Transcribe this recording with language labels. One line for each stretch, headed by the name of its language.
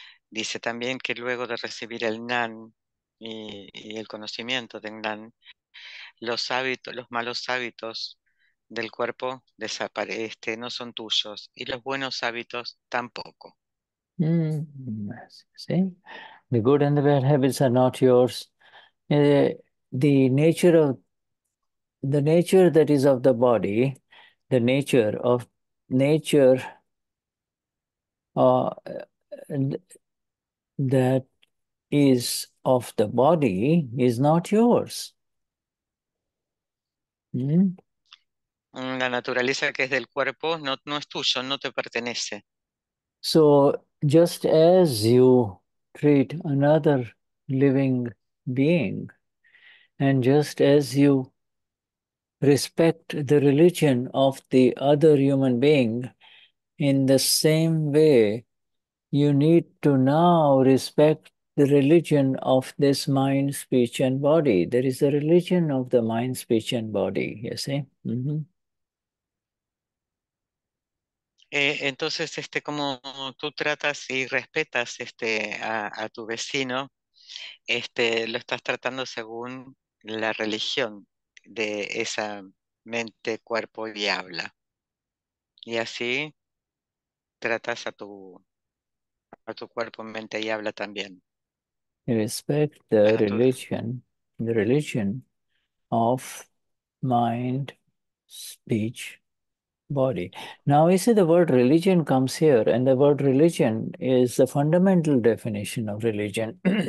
Spanish: Dice también que luego de recibir el Gnan y el conocimiento del Gnan, los hábitos, los malos hábitos del cuerpo desaparecen, este, no son tuyos, y los buenos hábitos tampoco. Mm, sí.
English: The good and the bad habits are not yours. The nature that is of the body, the nature of nature, that is of the body is not yours.
Spanish: Mm? La naturaleza que es del cuerpo no, no es tuyo, no te pertenece.
English: So just as you treat another living being, and just as you respect the religion of the other human being, in the same way, you need to now respect the religion of this mind, speech, and body. There is a religion of the mind, speech, and body, you see? Mm-hmm.
Spanish: Entonces, este, como tú tratas y respetas este, a tu vecino, este, lo estás tratando según la religión de esa mente, cuerpo y habla. Y así tratas a tu cuerpo, mente y habla también.
English: Respect the religion, the religion of mind, speech, body. Now, you see, the word religion comes here, and the word religion is the fundamental definition of religion.